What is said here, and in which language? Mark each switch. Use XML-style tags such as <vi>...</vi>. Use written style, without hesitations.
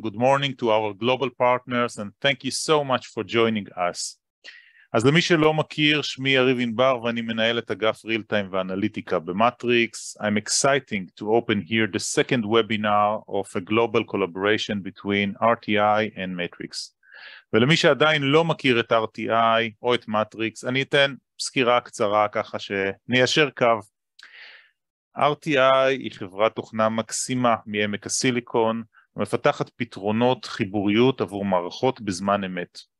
<en>Good morning to our global partners, and thank you so much for joining us.</en> <he>אז למי שלא מכיר, שמי יריב ענבר, ואני מנהל את אגף real-time ואנליטיקה במטריקס.</he> <en>I'm exciting to open here the second webinar of a global collaboration between RTI and מטריקס.</en> <he>ולמי שעדיין לא מכיר את RTI או את מטריקס, אני אתן סקירה קצרה ככה שניישר קו. RTI היא חברת תוכנה מקסימה מעמק הסיליקון, מפתחת פתרונות חיבוריות עבור מערכות בזמן אמת.</he>